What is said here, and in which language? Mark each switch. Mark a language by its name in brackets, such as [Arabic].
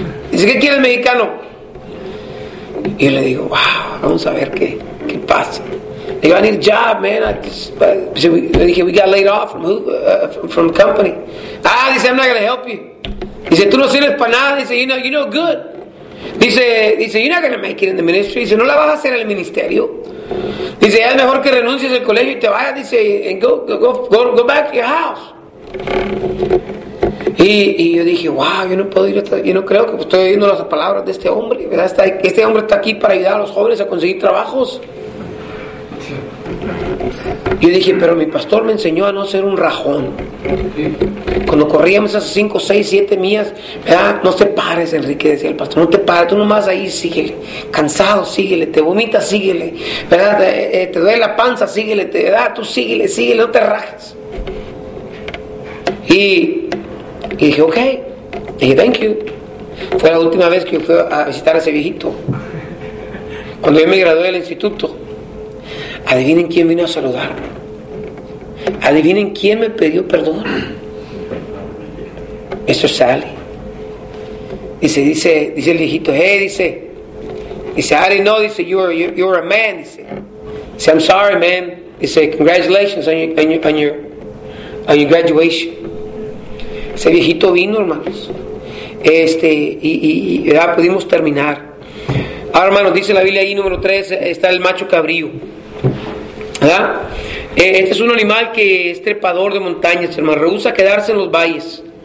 [Spanish] Dice, ¿qué quieres, mexicano? Y yo le digo, wow, vamos a ver qué pasa. Le digo, [English] I need a job, man. [Spanish] Le dije, [English] we got laid off from the company. [Spanish] Ah, dice, [English] I'm not going to help you. [Spanish] Dice, tú no sirves para nada. Dice, [English] you know good. [Spanish] Dice, [English] you're not going to make it in the ministry. [Spanish] Dice, no la vas a hacer en el ministerio. Dice, es mejor que renuncies al colegio y te vayas. Dice, [English] and go back to your house. [Spanish] Y yo dije, wow, yo no puedo ir hasta, yo no creo que estoy oyendo las palabras de este hombre, ¿verdad? Este hombre está aquí para ayudar a los jóvenes a conseguir trabajos. Yo dije, pero mi pastor me enseñó a no ser un rajón. Cuando corríamos esas 5, 6, 7 millas, ¿verdad? No te pares, Enrique, decía el pastor, no te pares, tú nomás ahí síguele, cansado, síguele, te vomita, síguele, ¿verdad? Te duele la panza, síguele, ¿verdad? Tú síguele, síguele, no te rajes. Y dije, ok, dije, [English] thank you. [Spanish] Fue la última vez que yo fui a visitar a ese viejito. Cuando yo me gradué del instituto, adivinen quién vino a saludarme. Adivinen quién me pidió perdón. Eso sale. Dice el viejito, [English] hey, dice, I didn't know, dice, you're a man, dice. [Spanish] Dice, [English] I'm sorry, man. Dice, congratulations on your graduation. [Spanish] Ese viejito vino, hermanos. Ya pudimos terminar. Ahora, hermanos, dice la Biblia ahí, número 3, está el macho cabrío, ¿verdad? Este es un animal que es trepador de montañas, hermano, rehúsa quedarse en los valles.